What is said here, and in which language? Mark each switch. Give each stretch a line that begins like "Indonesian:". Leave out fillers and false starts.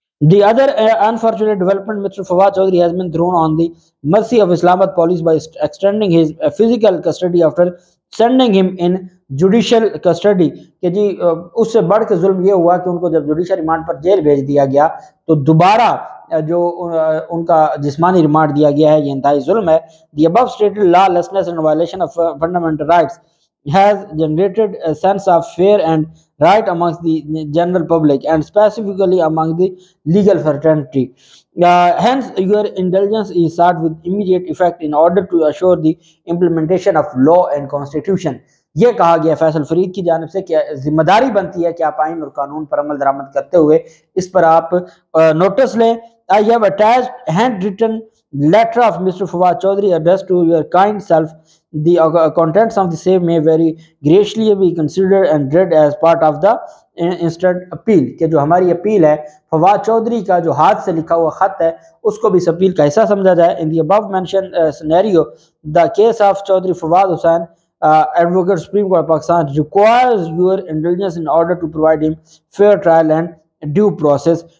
English: The other unfortunate development, Mr. Fawad Choudhury has been thrown on the mercy of Islamabad police by extending his physical custody after sending him in judicial custody.
Urdu: کہ جی اس سے بڑھ کے ظلم یہ ہوا کہ ان کو جب جوڈیشل ریمانڈ پر جیل بھیج دیا گیا تو دوبارہ جو ان کا جسمانی ریمانڈ دیا گیا ہے, یہ انتہائی ظلم ہے.
English: The above stated lawlessness and violation of fundamental rights has generated a sense of fear and right amongst the general public and specifically among the legal fraternity. Hence, your indulgence is sought with immediate effect in order to assure the implementation of law and constitution.
Urdu: یہ کہا گیا فیصل فرید کی جانب سے کہ ذمہ داری بنتی ہے کہ آپ آئین اور قانون پر عمل درآمد کرتے ہوئے اس پر آپ نوٹس لیں.
English: I have attached hand written letter of Mr. Fawad Choudhury addressed to your kind self. The contents of the same may very graciously be considered and read as part of the instant appeal.
Urdu: کہ جو ہماری appeal ہے فواد چودھری کا جو ہاتھ سے لکھا ہوا خط ہے اس کو بھی اس اپیل کا حصہ سمجھا جائے.
English: In the above mentioned scenario, the case of Chaudhry Fawad Hussain advocate supreme court of pakistan requires your indulgence in order to provide him fair trial and due process.